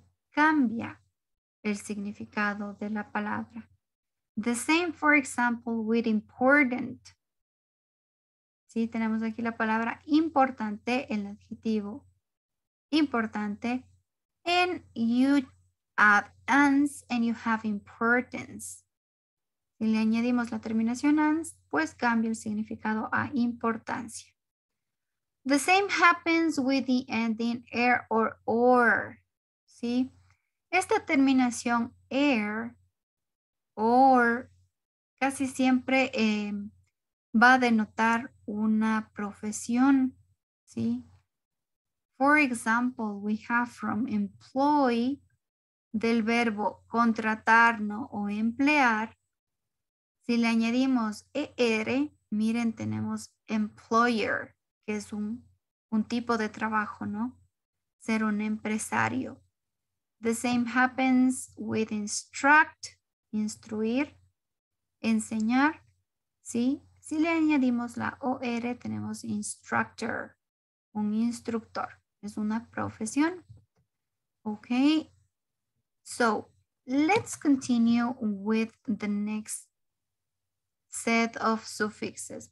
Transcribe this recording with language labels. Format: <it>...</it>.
<es>Cambia el significado de la palabra.</es> <en>The same, for example, with important.</en> <es>Sí, tenemos aquí la palabra importante, el adjetivo importante.</es> <en>And you add ands and you have importance.</en> <es>Si le añadimos la terminación ands, pues cambia el significado a importancia.</es> <en>The same happens with the ending er or.</en> <es>Sí. Esta terminación er, or, casi siempre va a denotar una profesión, ¿sí?</es> <en>For example, we have from employ,</en> <es>del verbo contratar, ¿no? O emplear. Si le añadimos er, miren, tenemos employer, que es un tipo de trabajo, ¿no? Ser un empresario.</es> <en>The same happens with instruct,</en> <es>instruir, enseñar, ¿sí? Si le añadimos la OR, tenemos instructor, un instructor, es una profesión.</es> <en>Okay, so let's continue with the next set of suffixes.</en>